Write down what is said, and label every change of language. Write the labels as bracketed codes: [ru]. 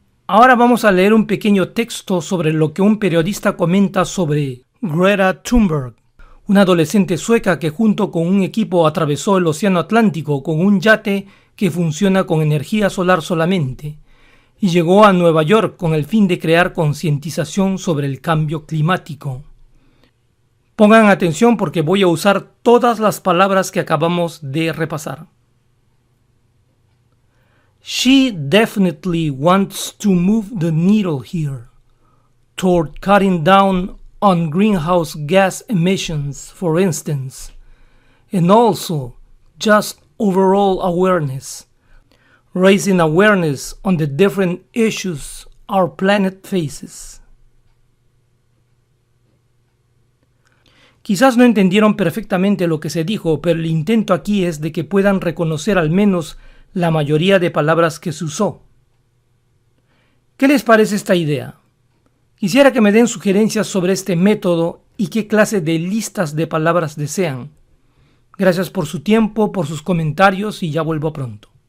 [es] Ahora vamos a leer un pequeño texto sobre lo que un periodista comenta sobre Greta Thunberg, una adolescente sueca que junto con un equipo atravesó el Océano Atlántico con un yate que funciona con energía solar solamente y llegó a Nueva York con el fin de crear concientización sobre el cambio climático. Pongan atención porque voy a usar todas las palabras que acabamos de repasar. [en] She definitely wants to move the needle here toward cutting down on greenhouse gas emissions, for instance, and also just overall awareness, raising awareness on the different issues our planet faces. [es] Quizás no entendieron perfectamente lo que se dijo, pero el intento aquí es de que puedan reconocer al menos la mayoría de palabras que se usó. ¿Qué les parece esta idea? Quisiera que me den sugerencias sobre este método y qué clase de listas de palabras desean. Gracias por su tiempo, por sus comentarios y ya vuelvo pronto.